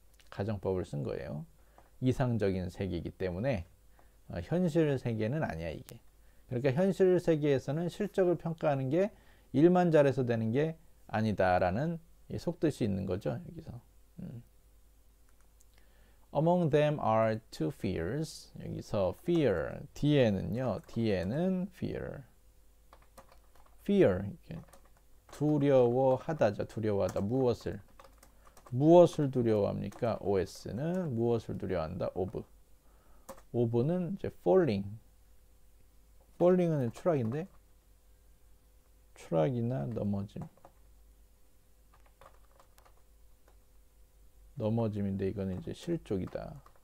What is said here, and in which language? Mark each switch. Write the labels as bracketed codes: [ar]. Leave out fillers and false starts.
[ko] 가정법을 쓴 거예요. 이상적인 세계이기 때문에 현실 세계는 아니야, 이게. 그러니까 현실 세계에서는 실적을 평가하는 게 일만 잘해서 되는 게 아니다라는 속뜻이 있는 거죠, 여기서. [en] Among them are two fears. [ko] 여기서 fear 뒤에는요, 뒤에는 fear. Fear 이렇게 두려워하다죠. 두려워하다 무엇을? 무엇을 두려워합니까? OS는 무엇을 두려워한다? of. of는 이제 falling. falling은 추락인데 추락이나 넘어짐인데 이거는 이제 실족이다.